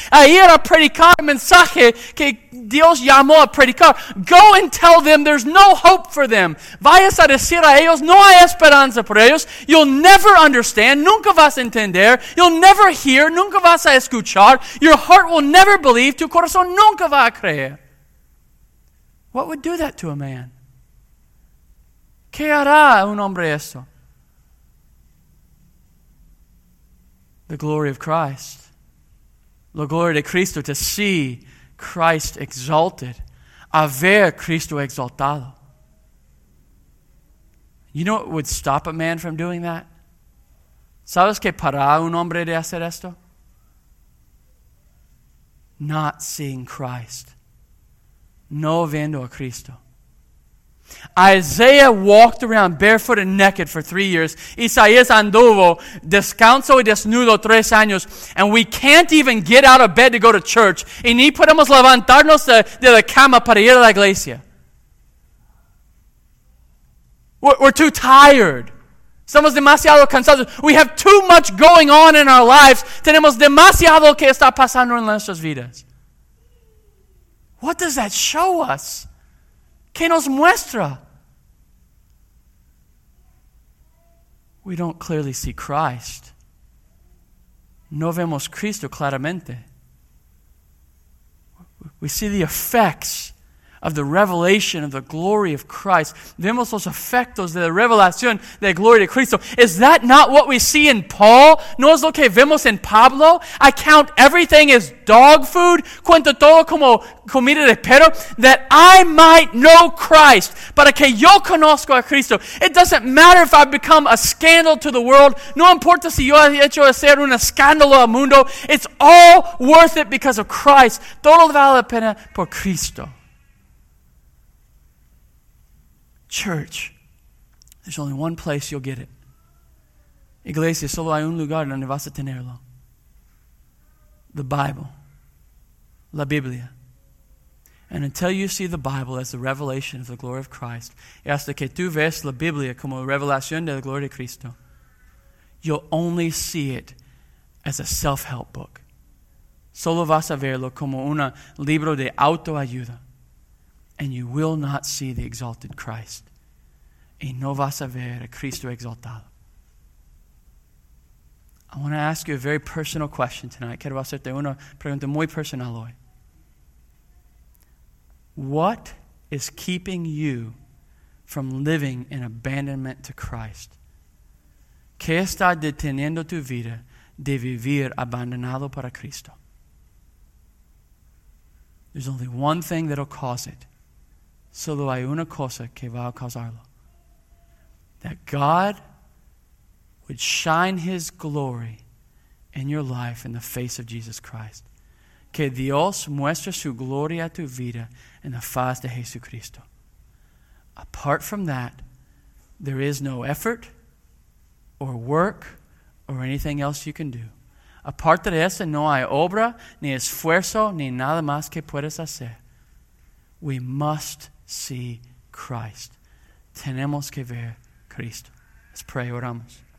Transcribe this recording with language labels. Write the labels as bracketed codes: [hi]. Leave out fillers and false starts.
[es] A ir a predicar el mensaje que Dios llamó a predicar. [en] Go and tell them there's no hope for them. [es] Vayas a decir a ellos, no hay esperanza por ellos. [en] You'll never understand. [es] Nunca vas a entender. [en] You'll never hear. [es] Nunca vas a escuchar. [en] Your heart will never believe. [es] Tu corazón nunca va a creer. [en] What would do that to a man? [es] ¿Qué hará un hombre eso? [en] the glory of Christ. [es] La gloria de Cristo, [en] to see Christ exalted. [es] A ver Cristo exaltado. [en] You know what would stop a man from doing that? [es] ¿Sabes qué para un hombre de hacer esto? [en] Not seeing Christ. [es] No viendo a Cristo. [en] Isaiah walked around barefoot and naked for 3 years. [es] Isaías anduvo descalzo y desnudo 3 años. [en] And we can't even get out of bed to go to church. [es] Y ni podemos levantarnos de la cama para ir a la iglesia. [en] We're too tired. [es] Somos demasiado cansados. [en] We have too much going on in our lives. [es] Tenemos demasiado que está pasando en nuestras vidas. [en] What does that show us? [es] ¿Qué nos muestra? [en] We don't clearly see Christ. [es] No vemos Cristo claramente. [en] We see the effects of the revelation of the glory of Christ. [es] Vemos los efectos de la revelación de la gloria de Cristo. [en] Is that not what we see in Paul? [es] ¿No es lo que vemos en Pablo? [en] I count everything as dog food. [es] Cuento todo como comida de perro. [en] That I might know Christ. [es] Para que yo conozco a Cristo. [en] It doesn't matter if I've become a scandal to the world. [es] No importa si yo he hecho ser un escándalo al mundo. [en] It's all worth it because of Christ. [es] Todo vale la pena por Cristo. [en] Church, there's only one place you'll get it. [es] Iglesia, solo hay un lugar donde vas a tenerlo. [en] The Bible. [es] La Biblia. [en] And until you see the Bible as the revelation of the glory of Christ, [es] y hasta que tú ves la Biblia como revelación de la gloria de Cristo, [en] you'll only see it as a self-help book. [es] Solo vas a verlo como un libro de autoayuda. [en] And you will not see the exalted Christ. [es] Y no vas a ver a Cristo exaltado. [en] I want to ask you a very personal question tonight. [es] Quiero hacerte una pregunta muy personal hoy. [en] What is keeping you from living in abandonment to Christ? [es] ¿Qué está deteniendo tu vida de vivir abandonado para Cristo? [en] There's only one thing that'll cause it. [es] Solo hay una cosa que va a causarlo. [en] That God would shine His glory in your life in the face of Jesus Christ. [es] Que Dios muestre su gloria a tu vida en la faz de Jesucristo. [en] Apart from that, there is no effort or work or anything else you can do. [es] Apart de eso, no hay obra, ni esfuerzo, ni nada más que puedes hacer. [en] We must see Christ. [es] Tenemos que ver Cristo. [en] Let's pray, [es] oramos.